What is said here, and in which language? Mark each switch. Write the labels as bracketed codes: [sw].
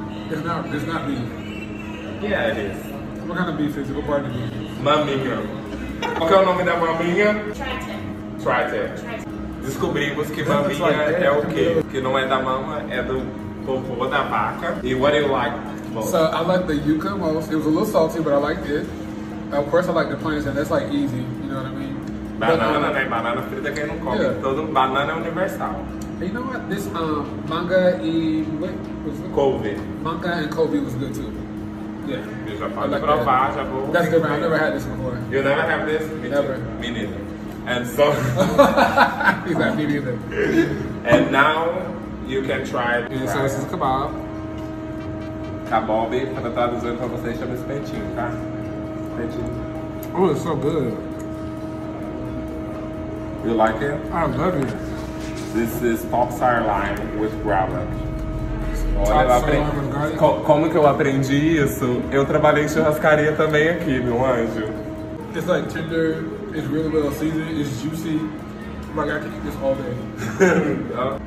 [en] It's not beef. Yeah, it is. What kind of beef is it? What part of beef? [pt] Maminha. Qual que é o nome da maminha? Triton. Triton. Descobrimos que maminha é o quê? Que não é da mama, é do popô da vaca. [en] E what do you like most? So, I like the yuca most. It was a little salty, but I liked it. Of course, I like the plants, and that's like easy, you know what I mean? [pt] Banana, but, né? Banana frita, quem não come? Yeah. Todo banana é universal. [en] And you know what? This manga e... What was it? Kobe. Manga and Kobe was good too. Yeah. [pt] Eu já falei provar, já vou. [en] That's different. I've never had this before. You never have this? Me never. Me neither. And so. He's like, me neither. And now you can try it. Yeah, so this is kebab. [pt] Kebab, para traduzir para vocês, chama-se pentinho, tá? Pentinho. [en] Oh, it's so good. You like it? I love it. This is pork sirloin with garlic. [pt] Olha, como que eu aprendi isso? Eu trabalhei em churrascaria também aqui, meu anjo. [en] It's like tender, it's really well seasoned, it's juicy. Oh my God, I can eat this all day.